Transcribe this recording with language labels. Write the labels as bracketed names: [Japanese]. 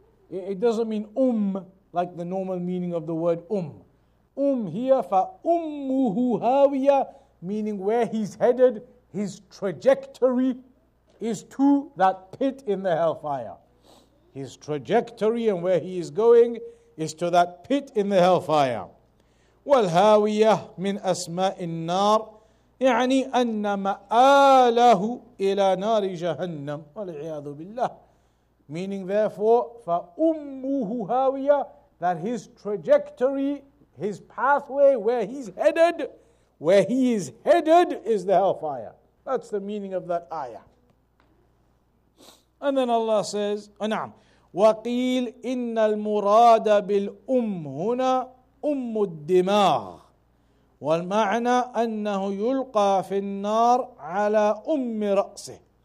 [English] It doesn't mean like the normal meaning of the word here, [Arabic] fa ummuhu hawiya, [English] meaning where he's headed, his trajectory is to that pit in the hellfire. His trajectory and where he is going is to that pit in the hellfire. [Arabic] Wal hawiya min asma'in nar. يعني أن مآله إلى نار جهنم والعياذ بالله. [English] Meaning therefore, [Arabic] فأمه هاوية, [English] that his trajectory, his pathway, where he is headed is the hellfire. That's the meaning of that ayah. And then Allah says, [Arabic] نعم, وقيل إن المراد بالأم هنا أم الدماغ. والمعنى أنه يلقى في النار على أم رأسه.